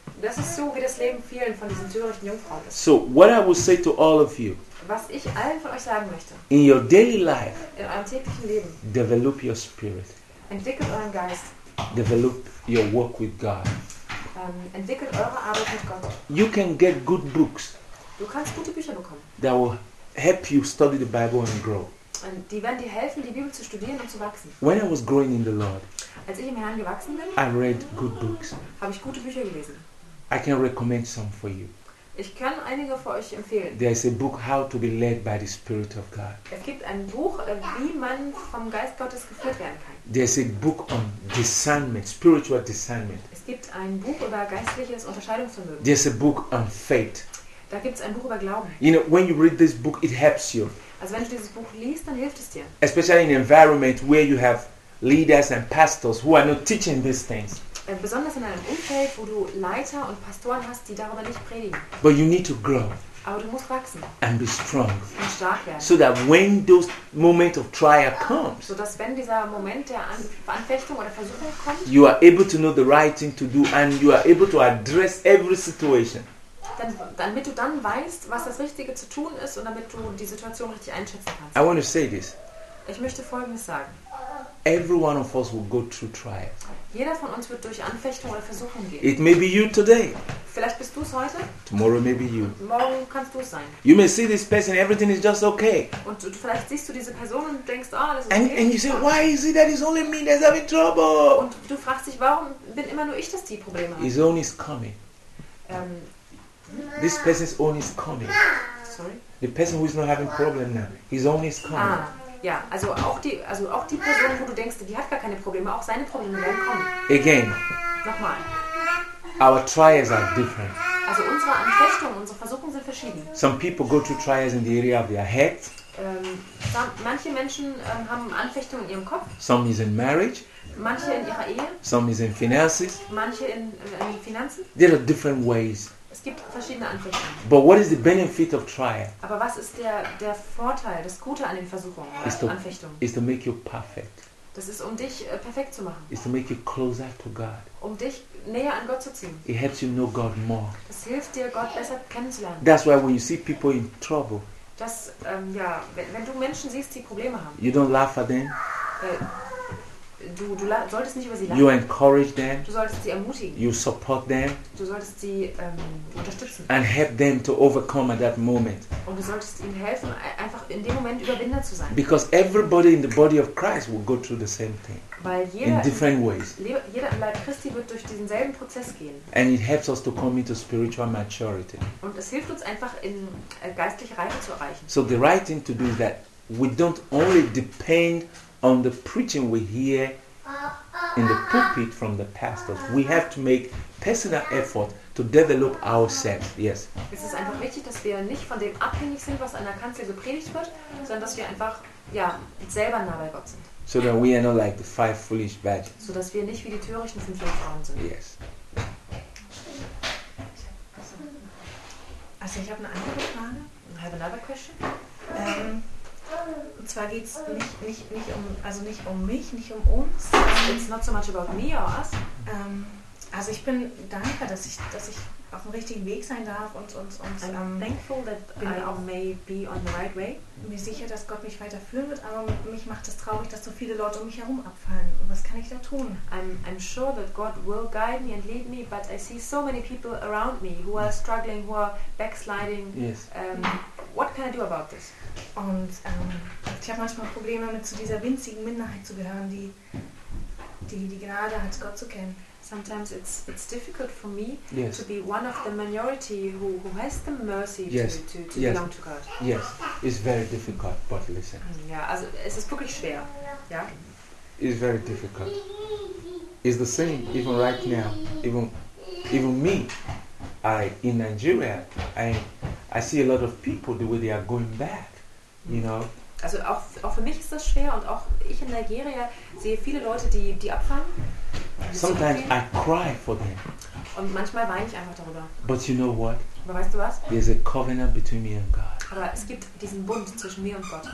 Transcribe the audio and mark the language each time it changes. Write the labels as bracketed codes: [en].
[de] Das ist so, wie das Leben vielen von diesen törichten Jungfrauen ist. [en] So, what I would say to all of you. [de] Was ich allen von euch sagen möchte. [en] In your daily life. [de] In eurem täglichen Leben. [en] Develop your spirit. [de] Entwickelt euren Geist. [en] Develop your work with God. [de] Entwickelt eure Arbeit mit Gott. [en] You can get good books. [de] Du kannst gute Bücher bekommen. [en] That will help you study the Bible and grow. [de] Und die werden dir helfen, die Bibel zu studieren und zu wachsen. [en] When I was growing in the Lord. [de] Als ich im Herrn gewachsen bin. [en] I read good books. [de] Habe ich gute Bücher gelesen. [en] I can recommend some for you. [de] Ich kann einige für euch empfehlen. [en] There is a book, How to be Led by the Spirit of God. [de] Es gibt ein Buch, wie man vom Geist Gottes geführt werden kann. [en] There is a book on discernment, spiritual discernment. [de] Es gibt ein Buch über geistliches Unterscheidungsvermögen. [en] There is a book on faith. [de] Da gibt es ein Buch über Glauben. [en] You know, when you read this book, it helps you. [de] Also wenn du dieses Buch liest, dann hilft es dir. [en] Especially in an environment where you have leaders and pastors who are not teaching these things. [de] Besonders in einem Umfeld, wo du Leiter und Pastoren hast, die darüber nicht predigen. [en] But you need to grow. [de] Aber du musst wachsen. [en] And be strong. [de] Und stark werden. [en] So that when those moment of trial comes, [de] so dass wenn dieser Moment der Anfechtung oder Versuchung kommt, [en] you are able to know the right thing to do and you are able to address every situation. [de] Damit du dann weißt, was das Richtige zu tun ist und damit du die Situation richtig einschätzen kannst. [en] I want to say this. [de] Ich möchte Folgendes sagen. [en] Every one of us will go through trial. [de] Jeder von uns wird durch Anfechtung oder Versuchung gehen. [en] It may be you today. [de] Vielleicht bist du es heute. [en] Tomorrow may be you. [de] Morgen kannst du es sein. [en] You may see this person, everything is just okay. [de] Und du, vielleicht siehst du diese Person und denkst, ah, oh, das ist [en] and, okay. And you say, why is it that it's only me that's having trouble? [de] Und du fragst dich, warum bin immer nur ich, dass die Probleme haben? [en] His own is coming. This person's own is coming. Sorry. The person who is not having problem now, his own is coming. Ah. [de] Ja, also auch die Person, wo du denkst, die hat gar keine Probleme, auch seine Probleme werden kommen. [en] Again. [de] Nochmal. [en] Our trials are different. [de] Also unsere Anfechtungen, unsere Versuchungen sind verschieden. [en] Some people go through trials in the area of their head. [de] Manche Menschen haben Anfechtungen in ihrem Kopf. [en] Some is in marriage. [de] Manche in ihrer Ehe. [en] Some is in finances. [de] Manche in Finanzen. [en] There are different ways. [de] Es gibt verschiedene Anfechtungen. [en] But what is the benefit of trial? [de] Aber was ist der Vorteil, das Gute an den Versuchungen, an den Anfechtungen? [en] Is to make you perfect. [de] Das ist, um dich perfekt zu machen. [en] Is to make you closer to God. [de] Um dich näher an Gott zu ziehen. [en] It helps you know God more. [de] Das hilft dir, Gott besser kennenzulernen. [en] That's why when you see people in trouble. [de] Das ja, wenn du Menschen siehst, die Probleme haben. [en] You don't laugh at them. [de] Du solltest nicht über sie lachen. [en] You encourage them. [de] Du solltest sie ermutigen. [en] You support them. [de] Du solltest sie unterstützen. [en] And help them to overcome at that moment. [de] Und du solltest ihnen helfen, einfach in dem Moment Überwinder zu sein. [en] Because everybody in the body of Christ will go through the same thing. [de] Weil [en] in different ways. [de] Jeder im Leib Christi wird durch diesen selben Prozess gehen. [en] And it helps us to come into spiritual maturity. [de] Und es hilft uns einfach, in geistliche Reife zu erreichen. [en] So the right thing to do is that we don't only depend on the preaching we hear in the pulpit from the pastors. We have to make personal effort to develop ourselves. Yes. [de] Es ist einfach wichtig, dass wir nicht von dem abhängig sind, was an der Kanzel gepredigt wird, sondern dass wir einfach ja, selber nah bei Gott sind. [en] So that we are not like the 5 foolish virgins. [de] So dass wir nicht wie die törichten 5 Jungfrauen sind. [en] Yes. [de] Also ich habe eine andere Frage. [en] I have another question. [de] Und zwar geht es nicht um mich, nicht um uns. [en] It's not so much about me or us. [de] Also ich bin dankbar, dass ich auf dem richtigen Weg sein darf und [en] I'm thankful that I may be on the right way. [de] Mir sicher, dass Gott mich weiterführen wird, aber mich macht es traurig, dass so viele Leute um mich herum abfallen. Und was kann ich da tun? [en] I'm sure that God will guide me and lead me, but I see so many people around me who are struggling, who are backsliding. Yes. What can I do about this? [de] Und ich habe manchmal Probleme, mit zu dieser winzigen Minderheit zu gehören, die Gnade hat, Gott zu kennen. [en] Sometimes it's difficult for me, yes, to be one of the minority who has the mercy, yes, to yes, belong to God. Yes, it's very difficult, but listen. [de] Ja, also es ist wirklich schwer. Ja? [en] It's very difficult. It's the same even right now. Even me, I in Nigeria, I see a lot of people the way they are going back, you know. [de] Also auch für mich ist das schwer und auch ich in Nigeria sehe viele Leute, die abfahren. [en] Sometimes I cry for them. [de] Und manchmal weine ich einfach darüber. [en] But you know what? [de] Aber weißt du was? [en] There's a covenant between me and God. [de] Aber es gibt diesen Bund zwischen mir und Gott.